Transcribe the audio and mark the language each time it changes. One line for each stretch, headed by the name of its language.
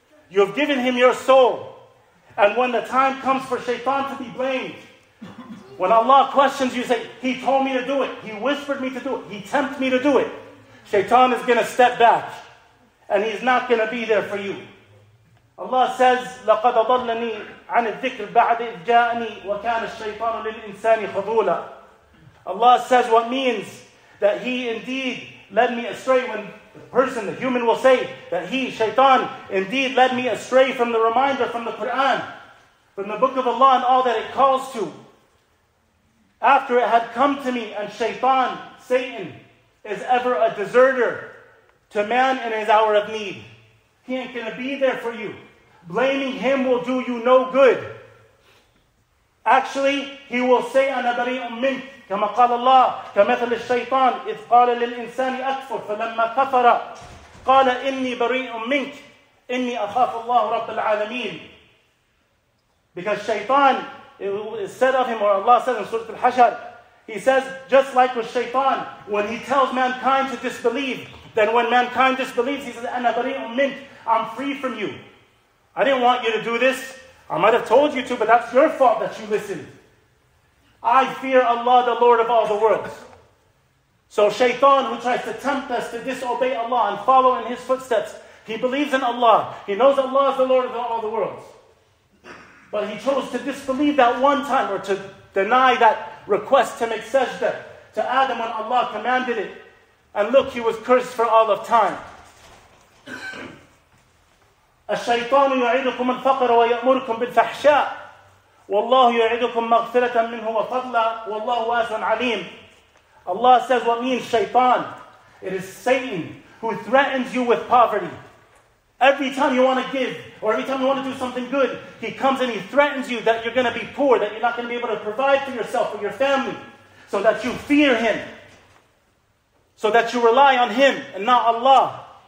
English: You have given him your soul. And when the time comes for shaitan to be blamed, when Allah questions you, say, he told me to do it. He whispered me to do it. He tempted me to do it. Shaitan is going to step back. And he's not going to be there for you. Allah says,
Arabic: لَقَدْ أَضَلَّنِي عَنِ الذِّكْرِ بَعْدِ إِذْ جَاءَنِي وَكَانَ الشَّيْطَانُ لِلْإِنسَانِ خَذُولًا.
English: Allah says what means that he indeed led me astray when the person, the human will say that he, shaitan, indeed led me astray from the reminder, from the Quran, from the book of Allah and all that it calls to. After it had come to me, and shaitan, Satan, is ever a deserter to man in his hour of need. He ain't going to be there for you. Blaming him will do you no good. Actually, he will say,
Arabic: أَنَا بَرِيءٌ مِنْكَ كَمَا قَالَ اللَّهُ كَمَثَلِ الشَّيْطَانِ إِذْ قَالَ لِلْإِنسَانِ أَكْفُرْ فَلَمَّا كَفَرَ قَالَ إِنِّي بَرِيءٌ مِنْكَ إِنِّي أَخَافُ اللَّهُ رَبَّ الْعَالَمِينَ.
English: Because shaitan, it is said of him, or Allah says in Surah Al-Hashr, he says, just like with shaitan, when he tells mankind to disbelieve, then when mankind disbelieves, he says,
Arabic: أَنَا بَرِيءٌ مِنْكَ,
English: I'm free from you. I didn't want you to do this. I might have told you to, but that's your fault that you listened. I fear Allah, the Lord of all the worlds. So shaitan, who tries to tempt us to disobey Allah and follow in his footsteps, he believes in Allah. He knows Allah is the Lord of all the worlds. But he chose to disbelieve that one time, or to deny that request to make sajda to Adam when Allah commanded it. And look, he was cursed for all of time.
Arabic: الشيطان يعيدكم الفقر ويأمركم بالفحشاء والله يعيدكم مغفرة منه وفضلا والله واسع عليم.
English: Allah says what means shaitan. It is Satan who threatens you with poverty. Every time you want to give, or every time you want to do something good, he comes and he threatens you that you're going to be poor, that you're not going to be able to provide for yourself or your family, so that you fear him, so that you rely on him and not Allah.